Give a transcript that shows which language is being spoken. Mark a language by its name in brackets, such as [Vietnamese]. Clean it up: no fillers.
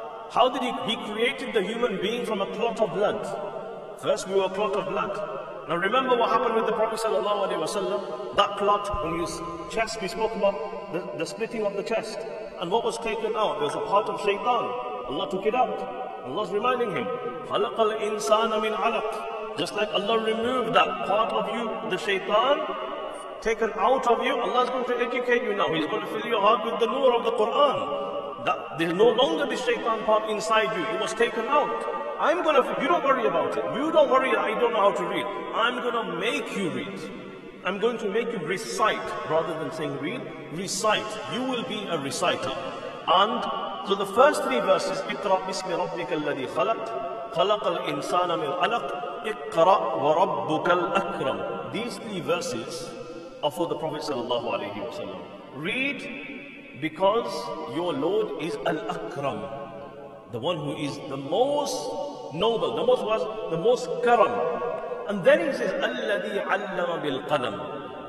[English] How did he created the human being from a clot of blood. First we were a clot of blood. Now remember what happened with the Prophet sallallahu alaihi wasallam. That clot on his chest, we spoke about the splitting of the chest. And what was taken out? There was a part of shaitan. Allah took it out. Allah's reminding him, [Arabic] خَلَقَ الْإِنسَانَ مِنْ عَلَقٍ. [English] Just like Allah removed that part of you, the shaitan, taken out of you, Allah's going to educate you now. He's going to fill your heart with the nur of the Quran. That there's no longer this shaitan part inside you. It was taken out. You don't worry about it. You don't worry that I don't know how to read. I'm going to make you read. I'm going to make you recite, rather than saying read, recite. You will be a reciter. And so the first three verses, [Arabic] اقرأ بسم ربك الذي خلق, خلق الإنسان من علق, اقرأ وربك الأكرم. [English] These three verses are for the Prophet sallallahu alayhi wa sallam. Read, because your Lord is Al-Akram, the one who is the most noble, the most karam. And then he says, [Arabic] الَّذِي عَلَّمَ بِالْقَلَمِ.